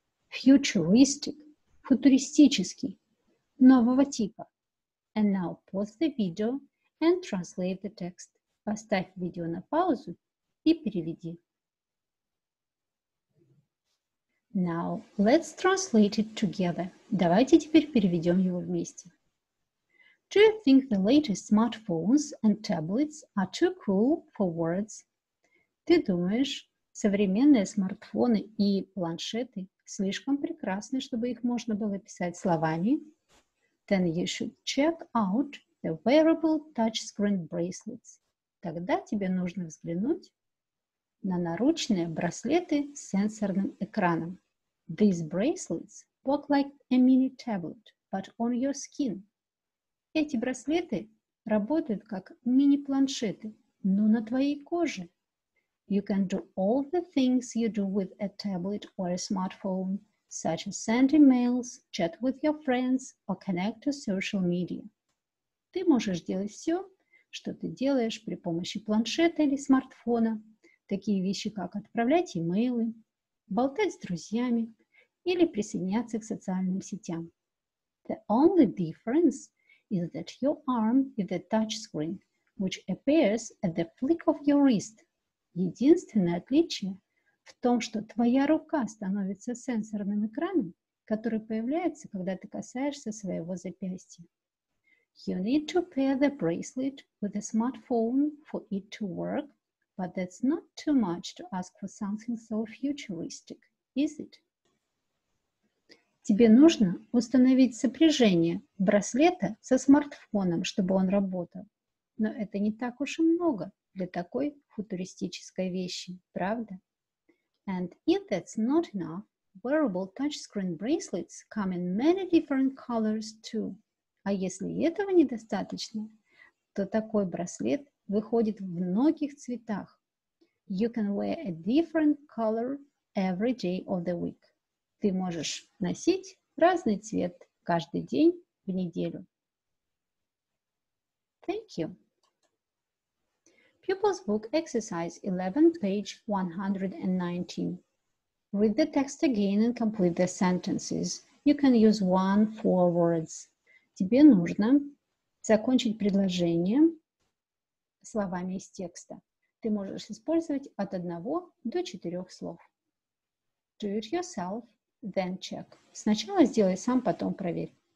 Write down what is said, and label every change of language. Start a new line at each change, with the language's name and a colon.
Russian: Futuristic – футуристический, нового типа.
English: And now pause the video and translate the text.
Russian: Поставь видео на паузу и переведи.
English: Now let's translate it together.
Russian: Давайте теперь переведем его вместе.
English: Do you think the latest smartphones and tablets are too cool for words?
Russian: Ты думаешь, современные смартфоны и планшеты слишком прекрасны, чтобы их можно было писать словами?
English: Then you should check out the wearable touchscreen bracelets.
Russian: Тогда тебе нужно взглянуть на наручные браслеты с сенсорным экраном.
English: These bracelets work like a mini tablet, but on your skin.
Russian: Эти браслеты работают как мини-планшеты, но на твоей коже.
English: You can do all the things you do with a tablet or a smartphone, such as send emails, chat with your friends, or connect to social media.
Russian: Ты можешь делать все, что ты делаешь при помощи планшета или смартфона, такие вещи, как отправлять имейлы, болтать с друзьями или присоединяться к социальным сетям.
English: The only difference is that your arm is a touchscreen, which appears at the flick of your wrist.
Russian: Единственное отличие в том, что твоя рука становится сенсорным экраном, который появляется, когда ты касаешься своего запястья.
English: You need to pair the bracelet with a smartphone for it to work, but that's not too much to ask for something so futuristic, is it?
Russian: Тебе нужно установить сопряжение браслета со смартфоном, чтобы он работал. Но это не так уж и много для такой футуристической вещи, правда?
English: And if that's not enough, wearable touchscreen bracelets come in many different colors too.
Russian: А если этого недостаточно, то такой браслет выходит в многих цветах.
English: You can wear a different color every day of the week.
Russian: Ты можешь носить разный цвет каждый день в неделю.
English: Thank you. Pupil's book exercise 11, page 119. Read the text again and complete the sentences. You can use 1-4 words.
Russian: Тебе нужно закончить предложение словами из текста. Ты можешь использовать от 1 до 4 слов.
English: Do it yourself. Then check.
Russian: Сначала сделай сам, потом проверь.